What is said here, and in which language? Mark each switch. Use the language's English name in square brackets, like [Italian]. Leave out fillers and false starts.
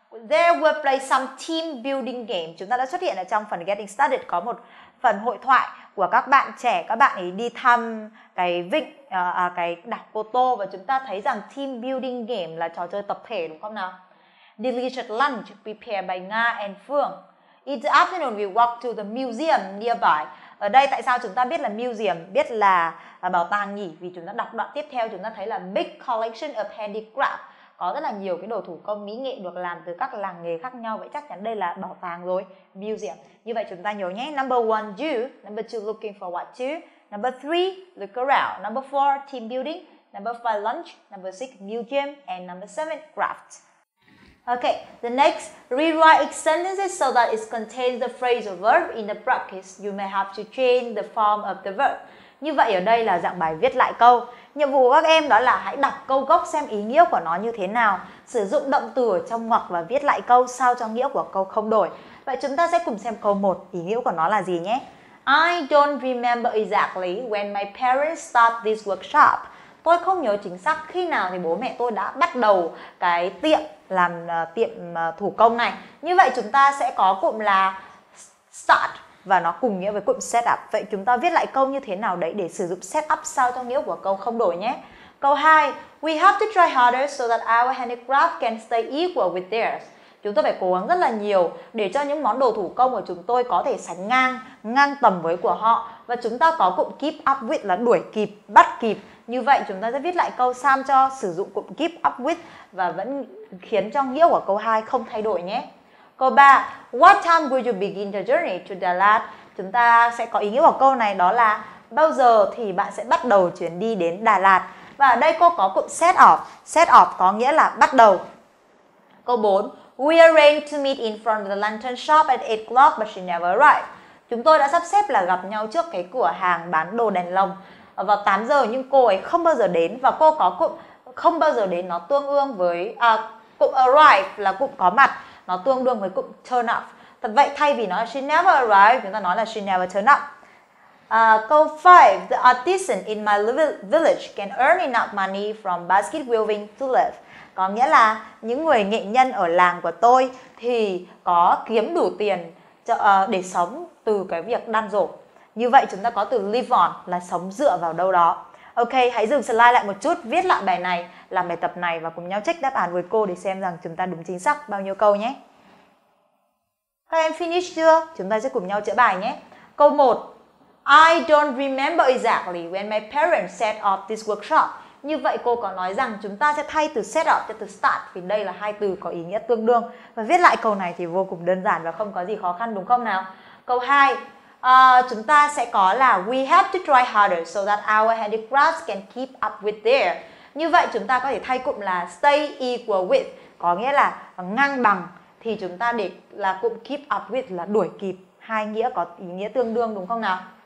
[English] There were play some team building game. [Vietnamese] Chúng ta đã xuất hiện ở trong phần getting started có một phần hội thoại của các bạn trẻ, các bạn ấy đi thăm cái vịnh, cái đảo Cô Tô và chúng ta thấy rằng team building game là trò chơi tập thể đúng không nào? [English] Delicious lunch prepared by Nga and Phương. In the afternoon we walk to the museum nearby. [Vietnamese] Ở đây tại sao chúng ta biết là museum, biết là bảo tàng nhỉ? Vì chúng ta đọc đoạn tiếp theo chúng ta thấy là big collection of handicraft. Có rất là nhiều cái đồ thủ công mỹ nghệ được làm từ các làng nghề khác nhau. Vậy chắc chắn đây là bảo tàng rồi, museum. Như vậy chúng ta nhớ nhé. [English] Number 1, do. Number 2, looking forward to. Number 3, look around. Number 4, team building. Number 5, lunch. Number 6, museum. And number 7, craft. Okay, the next, rewrite each sentence so that it contains the phrase or verb. In the practice, you may have to change the form of the verb. [Vietnamese] Như vậy ở đây là dạng bài viết lại câu. Nhiệm vụ của các em đó là hãy đọc câu gốc xem ý nghĩa của nó như thế nào, sử dụng động từ ở trong ngoặc và viết lại câu sao cho nghĩa của câu không đổi. Vậy chúng ta sẽ cùng xem câu 1 ý nghĩa của nó là gì nhé. [English] I don't remember exactly when my parents started this workshop. [Vietnamese] Tôi không nhớ chính xác khi nào thì bố mẹ tôi đã bắt đầu cái tiệm làm tiệm thủ công này. Như vậy chúng ta sẽ có cụm là start và nó cùng nghĩa với cụm setup. Vậy chúng ta viết lại câu như thế nào đấy để sử dụng setup sao cho nghĩa của câu không đổi nhé. Câu 2. [English] We have to try harder so that our handicraft can stay equal with theirs. [Vietnamese] Chúng ta phải cố gắng rất là nhiều để cho những món đồ thủ công của chúng tôi có thể sánh ngang, ngang tầm với của họ. Và chúng ta có cụm keep up with là đuổi kịp, bắt kịp. Như vậy chúng ta sẽ viết lại câu Sam cho sử dụng cụm keep up with và vẫn khiến cho nghĩa của câu 2 không thay đổi nhé. Câu 3. [English] What time will you begin the journey to Dalat? [Vietnamese] Chúng ta sẽ có ý nghĩa của câu này đó là bao giờ thì bạn sẽ bắt đầu chuyến đi đến Đà Lạt? Và ở đây cô có cụm set off. Set off có nghĩa là bắt đầu. Câu 4. [English] We arranged to meet in front of the lantern shop at 8 o'clock but she never arrived. [Vietnamese] Chúng tôi đã sắp xếp là gặp nhau trước cái cửa hàng bán đồ đèn lồng vào 8 giờ nhưng cô ấy không bao giờ đến. Và cô có cụm không bao giờ đến, nó tương ương với cụm arrive là cụm có mặt. Nó tương đương với cụm turn up. Thật vậy, thay vì nói [English] she never arrived, [Vietnamese] chúng ta nói là [English] she never turn up. [Vietnamese] Câu 5. [English] The artisan in my village can earn enough money from basket weaving to live. [Vietnamese] Có nghĩa là những người nghệ nhân ở làng của tôi thì có kiếm đủ tiền để sống từ cái việc đan rổ. Như vậy chúng ta có từ live on là sống dựa vào đâu đó. Ok, hãy dừng slide lại một chút, viết lại bài này, làm bài tập này và cùng nhau check đáp án với cô để xem rằng chúng ta đúng chính xác bao nhiêu câu nhé. Các em finish chưa? Chúng ta sẽ cùng nhau chữa bài nhé. Câu 1. [English] I don't remember exactly when my parents set off this workshop. [Vietnamese] Như vậy cô có nói rằng chúng ta sẽ thay từ set off cho từ start vì đây là hai từ có ý nghĩa tương đương. Và viết lại câu này thì vô cùng đơn giản và không có gì khó khăn đúng không nào? Câu 2. Chúng ta sẽ có là [English] we have to try harder so that our handicrafts can keep up with there. [Vietnamese] Như vậy chúng ta có thể thay cụm là stay equal with, có nghĩa là ngang bằng, thì chúng ta để là cụm keep up with là đuổi kịp, hai nghĩa có ý nghĩa tương đương đúng không nào?